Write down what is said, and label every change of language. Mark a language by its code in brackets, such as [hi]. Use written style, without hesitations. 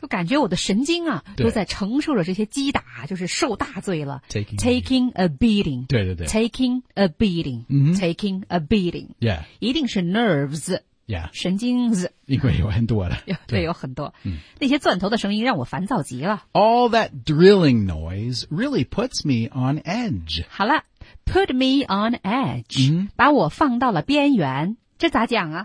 [zh] 就感觉我的神经啊,都在承受着这些击打,就是受大罪了。 [en] Taking a beating. [zh] 对对对。 [en] Taking a beating, mm-hmm. Taking a beating. Yeah. [zh] 一定是nerves。 [en] Yeah. [zh] 神经子, 因为有很多的, 对,有很多, 那些钻头的声音让我烦躁极了。 [en] All that drilling noise really puts me on edge. [zh] 好了, [en] put me on edge, mm-hmm. [zh] 把我放到了边缘, 这咋讲啊?